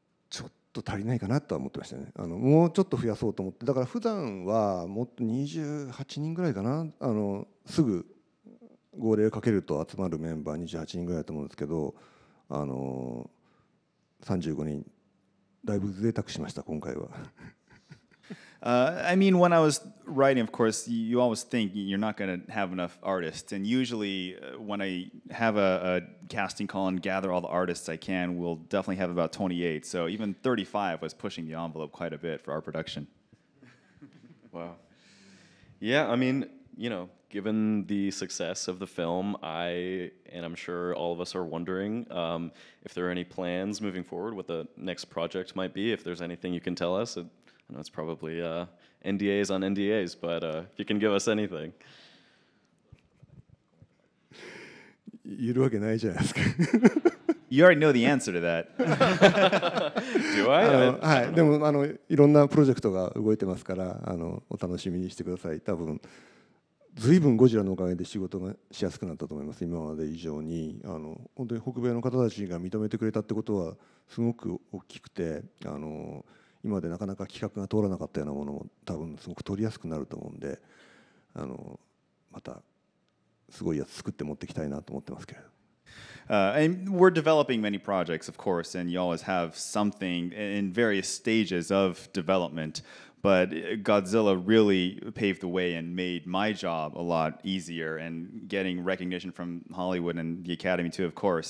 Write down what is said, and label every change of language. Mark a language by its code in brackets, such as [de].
[ja] ちょっと足りないかなとは思ってましたね。もうちょっと増やそうと思って。だから普段はもっと28人ぐらいかな。すぐ号令かけると集まるメンバー28人ぐらいだと思うんですけど、35人だいぶ贅沢しました今回は。 [en] I mean, when I was writing, of course, you always think you're not going to have enough artists. And usually when I have a casting call and gather all the artists I can, we'll definitely have about 28. So even 35 was pushing the envelope quite a bit for our production. Wow. Yeah, I mean, you know, given the success of the film, and I'm sure all of us are wondering if there are any plans moving forward, what the next project might be, if there's anything you can tell us. I know it's probably NDAs on NDAs, but if you can give us anything. [ja] いるわけないじゃないですか。 [en] You already know the answer to that. Do I? [ja] はい、でもいろんなプロジェクトが動いてますから、お楽しみにしてください。多分、ずいぶんゴジラのおかげで仕事がしやすくなったと思います。今まで以上に。本当に北米の方たちが認めてくれたってことはすごく大きくて、今までなかなか企画が通らなかったようなものも多分すごく取りやすくなると思うんで、またすごいやつ作って持ってきたいなと思ってますけど。 [en] And we're developing many projects, of course, and you always have something in various stages of development. But Godzilla really paved the way and made my job a lot easier, and getting recognition from Hollywood and the Academy too, of course.